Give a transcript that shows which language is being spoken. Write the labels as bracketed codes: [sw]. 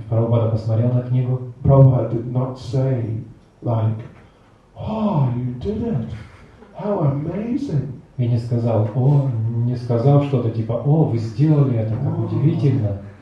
[ru] Прабхупада посмотрел на книгу. [en] Prabhupada did not say like, "Oh, you did it! How amazing!" [ru] И не сказал, о, не сказал что-то типа, о, вы сделали это, как удивительно.